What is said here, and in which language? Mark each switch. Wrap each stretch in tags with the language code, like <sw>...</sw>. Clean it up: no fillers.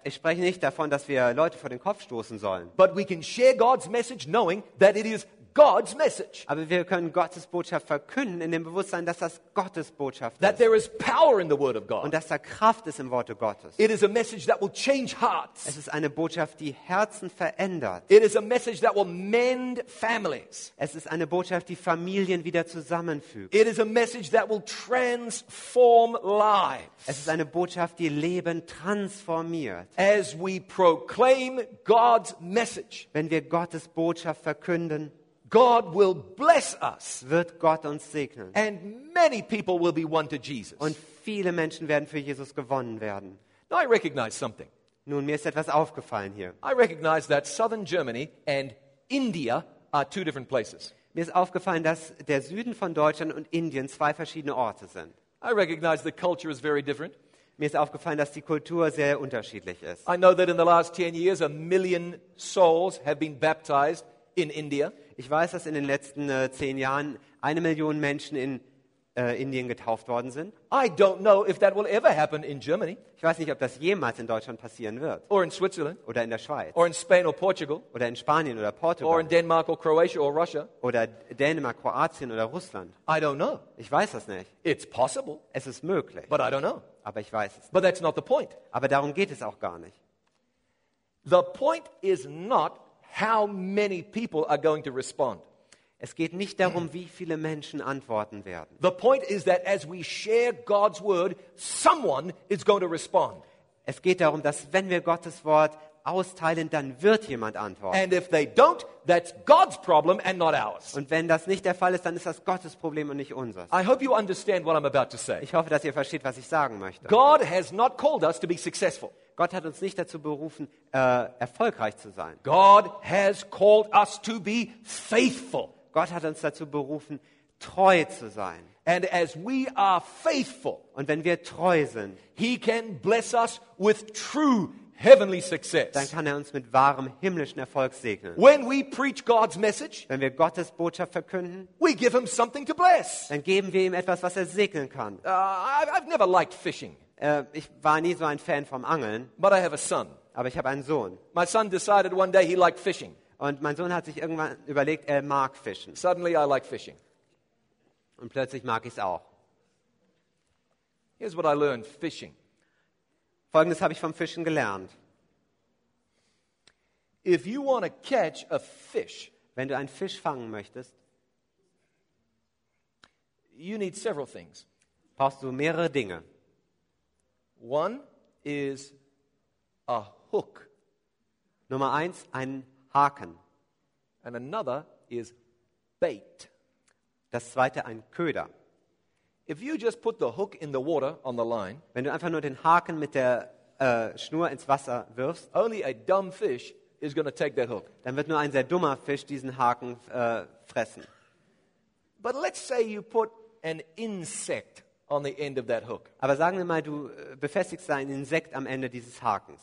<de>Ich spreche nicht davon, dass wir Leute vor den Kopf stoßen sollen.</de> <en>But we can share God's message knowing that it is God's message.</en> <de>Aber wir können Gottes Botschaft verkünden in dem Bewusstsein, dass das Gottes Botschaft ist.</de> <en>That there is power in the word of God.</en> <de>Und dass da Kraft ist im Worte Gottes.</de> <en>It is a message that will change hearts.</en> <de>Es ist eine Botschaft, die Herzen verändert.</de> <en>It is a message that will mend families.</en> <de>Es ist eine Botschaft, die Familien wieder zusammenfügt.</de> <en>It is a message that will transform lives.</en> <de>Es ist eine Botschaft, die Leben transformiert.</de> <en>As we proclaim God's message.</en> <de>Wenn wir Gottes Botschaft verkünden,</de> <en>God will bless us.</en> <de>Wird Gott uns segnen.</de> <en>And many people will be won to Jesus.</en> <de>Und viele Menschen werden für Jesus gewonnen werden.</de> <en>Now I recognize something.</en> <de>Nun, mir ist etwas aufgefallen hier.</de> <en>I recognize that southern Germany and India are two different places.</en> <de>Mir ist aufgefallen, dass der Süden von Deutschland und Indien zwei verschiedene Orte sind.</de> <en>I recognize the culture is very different.</en> <de>Mir ist aufgefallen, dass die Kultur sehr unterschiedlich ist.</de> <en>I know that in the last 10 years a million souls have been baptized in India.</en> <de>Ich weiß, dass in den letzten 10 Jahren 1 Million Menschen in Indien getauft worden sind.</de> <en>I don't know if that will ever happen in Germany.</en> <de>Ich weiß nicht, ob das jemals in Deutschland passieren wird.</de> <en>Or in Switzerland.</en> <de>Oder in der Schweiz.</de> <en>Or in Spain or Portugal.</en> <de>Oder in Spanien oder Portugal.</de> <en>Or in Denmark or Croatia or Russia.</en> <de>Oder Dänemark, Kroatien oder Russland.</de> <en>I don't know.</en> <de>Ich weiß das nicht.</de> <en>It's possible.</en> <de>Es ist möglich.</de> <en>But I don't know.</en> <de>Aber ich weiß es nicht.</de> <en>But that's not the point.</en> <de>Aber darum geht es auch gar nicht.</de> <en>The point is not how many people are going to respond.</en> <de>Es geht nicht darum, wie viele Menschen antworten werden.</de> <en>The point is that as we share God's word, someone is going to respond.</en> <de>Es geht darum, dass wenn wir Gottes Wort austeilen, dann wird jemand antworten.</de> <en>And if they don't, that's God's problem and not ours.</en> <de>Und wenn das nicht der Fall ist, dann ist das Gottes Problem und nicht unseres.</de> <en>I hope you understand what I'm about to say.</en> <de>Ich hoffe, dass ihr versteht, was ich sagen möchte.</de> <en>God has not called us to be successful.</en> <de>Gott hat uns nicht dazu berufen, erfolgreich zu sein.</de> <en>God has called us to be faithful.</en> <de>Gott hat uns dazu berufen, treu zu sein.</de> <en>And as we are faithful,</en> <de>und wenn wir treu sind,</de> <en>he can bless us with true heavenly success.</en> <de>Dann kann er uns mit wahrem himmlischen Erfolg segnen.</de> <en>When we preach God's message,</en> <de>wenn wir Gottes Botschaft verkünden,</de> <en>we give him something to bless.</en> <de>Dann geben wir ihm etwas, was er segnen kann.</de> <en>I've never liked fishing.</en> <de>Ich war nie so ein Fan vom Angeln.</de> <en>But I have a son.</en> <de>Aber ich habe einen Sohn.</de> <en>My son decided one day he liked fishing.</en> <de>Und mein Sohn hat sich irgendwann überlegt, er mag fischen.</de> <en>Suddenly I like fishing.</en> <de>Und plötzlich mag ich es auch.</de> <en>Here's what I learned fishing.</en> <de>Folgendes habe ich vom Fischen gelernt.</de> <en>If you want to catch a fish,</en> <de>wenn du einen Fisch fangen möchtest,</de> <en>you need several things.</en> <de>Brauchst du mehrere Dinge.</de> <en>One is a hook.</en> <de>Nummer eins, ein Haken.</de> <en>And another is bait.</en> <de>Das zweite, ein Köder.</de> <en>If you just put the hook in the water on the line,</en> <de>wenn du einfach nur den Haken mit der Schnur ins Wasser wirfst,</de> <en>only a dumb fish is going to take that hook.</en> <de>Dann wird nur ein sehr dummer Fisch diesen Haken fressen.</de> <en>But let's say you put an insect on the end of that hook.</en> <de>Aber sagen wir mal, du befestigst ein Insekt am Ende dieses Hakens.</de>